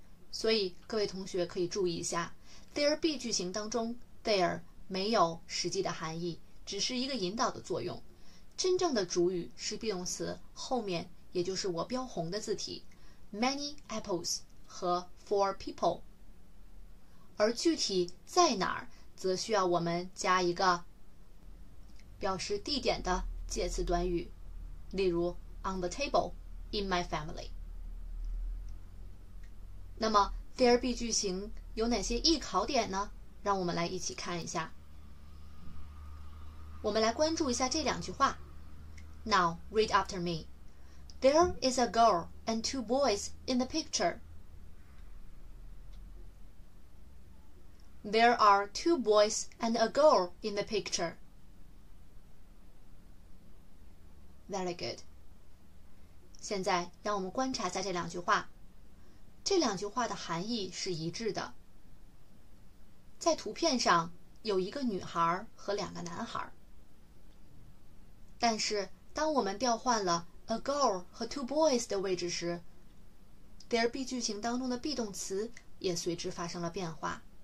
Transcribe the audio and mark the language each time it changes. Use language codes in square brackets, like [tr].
[zh] 所以各位同学可以注意一下 there be 句型当中 there没有实际的含义，只是一个引导的作用，真正的主语是 be 动词后面，也就是我标红的字体 [en] many apples [zh] 和 [en] four people， [zh] 而具体在哪儿则需要我们加一个表示地点的介词短语，例如 [en] on the table in my family。 [zh] 那么 there be 句型有哪些易考点呢？让我们来一起看一下。我们来关注一下这两句话。 [en] Now read after me， There is a girl and two boys in the picture， There are two boys and a girl in the picture。 Very good。 [zh] 现在让我们观察一下这两句话，这两句话的含义是一致的。在图片上有一个女孩和两个男孩，但是当我们调换了 a girl 和 two boys 的位置时， there be 句型当中的 be 动词也随之发生了变化。